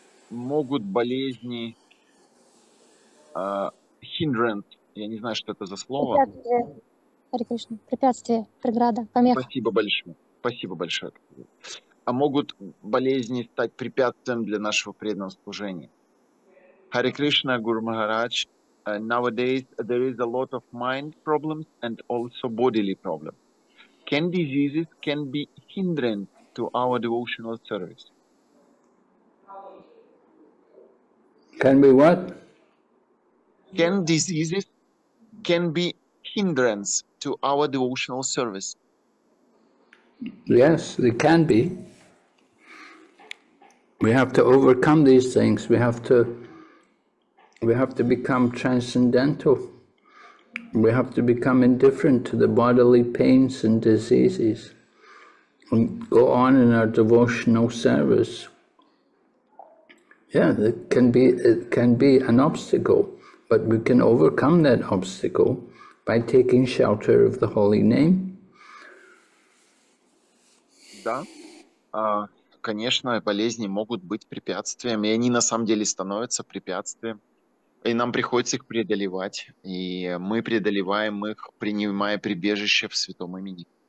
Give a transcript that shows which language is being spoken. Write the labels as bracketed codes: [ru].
[ru] Могут болезни hindrance, я не знаю, что это за слово. Хари Кришна, препятствие, преграда, помеха. Спасибо большое. А могут болезни стать препятствием для нашего преданного служения? Хари Кришна, Гуру Махарадж. [en] Nowadays there is a lot of mind problems and also bodily problems. Can diseases can be hindrance to our devotional service? Can be what? Can diseases can be hindrance to our devotional service? Yes, they can be. We have to overcome these things. We have to become transcendental. We have to become indifferent to the bodily pains and diseases and go on in our devotional service. Yeah, it can be an obstacle, but we can overcome that obstacle by taking shelter of the holy name. [ru] Да, конечно, болезни могут быть препятствием, и они на самом деле становятся препятствием, и нам приходится их преодолевать, и мы преодолеваем их, принимая прибежище в святом имени.